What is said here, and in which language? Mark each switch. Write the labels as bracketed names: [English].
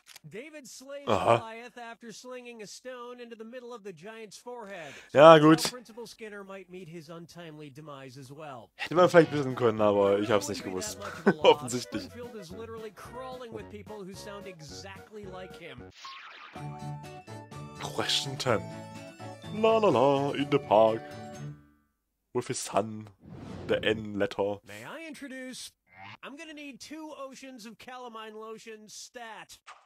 [English] David slays Goliath after slinging a stone into the middle of the giant's forehead. [German] So ja, gut. [English] Principal Skinner might meet his untimely demise as well. [German] Hätte man vielleicht wissen können, aber ich hab's nicht gewusst. Offensichtlich. [English] Springfield is literally crawling with people who sound exactly like him. Question 10. La la la, in the park. With his son. The N letter. May I introduce... I'm gonna need two oceans of calamine lotion stat.